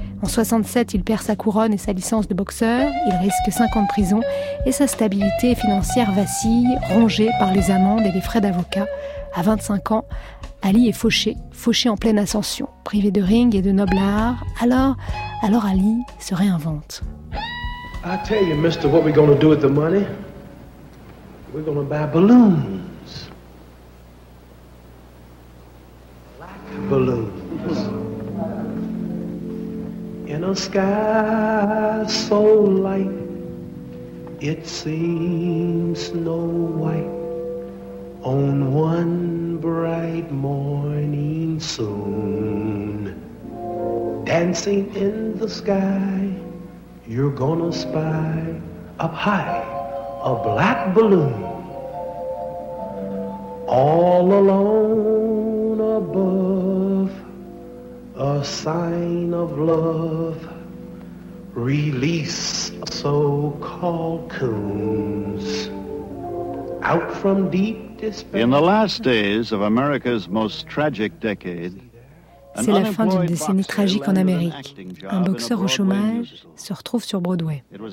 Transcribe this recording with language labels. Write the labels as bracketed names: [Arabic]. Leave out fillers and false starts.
[French] En 67, il perd sa couronne et sa licence de boxeur, il risque 5 ans de prison et sa stabilité financière vacille, rongée par les amendes et les frais d'avocat. À 25 ans, Ali est fauché, fauché en pleine ascension, privé de ring et de noble art. Alors Ali se réinvente. [English] I tell you, mister, what we're gonna do with the money? We're gonna buy balloons. Black balloons. In a sky so light, it seems snow white. On one bright morning soon, dancing in the sky, you're gonna spy up high a black balloon. All alone above, a sign of love, release so-called coons out from deep. In the last days of America's most tragic decade, [French] c'est la fin d'une décennie tragique en Amérique. Un boxeur au chômage se retrouve sur Broadway.